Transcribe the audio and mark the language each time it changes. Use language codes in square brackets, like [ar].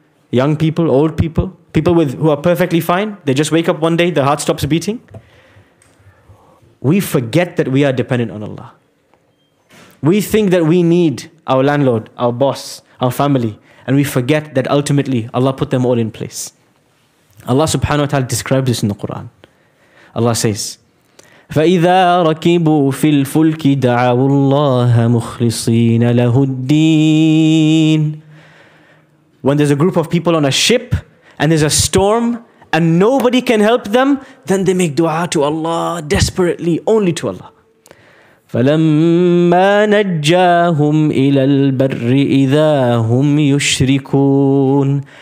[en] young people, old people, people with who are perfectly fine, they just wake up one day, their heart stops beating. We forget that we are dependent on Allah. We think that we need our landlord, our boss, our family, and we forget that ultimately Allah put them all in place. Allah subhanahu wa ta'ala describes this in the Quran. Allah says, [ar] فَإِذَا رَكِبُوا فِي الْفُلْكِ دَعَوُوا اللَّهَ مُخْلِصِينَ لَهُ الدِّينَ. [en] When there's a group of people on a ship and there's a storm and nobody can help them, then they make dua to Allah desperately, only to Allah. [ar] فَلَمَّا نَجَّاهُمْ إِلَى الْبَرِّ إِذَا هُمْ يُشْرِكُونَ.